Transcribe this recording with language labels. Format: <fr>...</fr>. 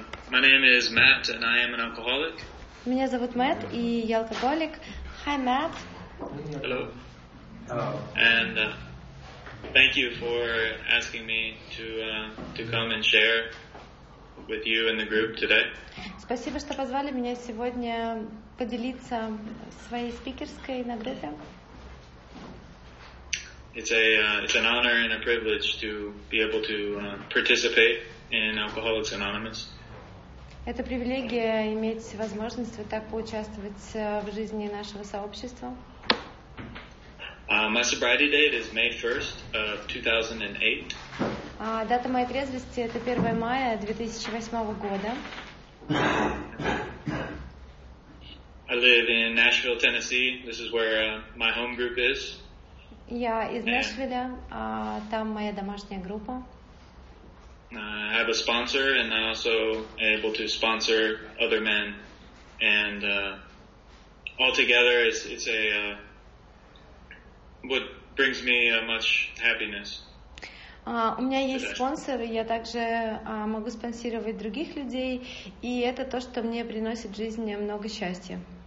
<en>My name is Matt, and I am an alcoholic.</en> <ru>Меня зовут Мэтт, и я алкоголик.</ru> <en>Hi, Matt. Hello. Hello. And thank you for asking me to come and share with you and the group today.</en> <ru>Спасибо, что позвали меня сегодня поделиться своей спикерской на группе.</ru> <en>It's an honor and a privilege to be able to participate in Alcoholics Anonymous.</en> <ru>Это привилегия иметь возможность вот так поучаствовать в жизни нашего сообщества.</ru> <en>My sobriety date is May 1st of 2008.</en> <ru>Дата моей трезвости — это 1 мая 2008 года.</ru> <en>I live in Nashville, Tennessee. This is where my home group is.</en> <ru>Я из Нэшвилля, там моя домашняя группа.</ru> <en>I have a sponsor, and I also able to sponsor other men. And altogether, it's a what brings me much happiness.</en> <ru>У меня есть спонсор, я также могу спонсировать других людей, и это то, что мне приносит в жизни много счастья.</ru>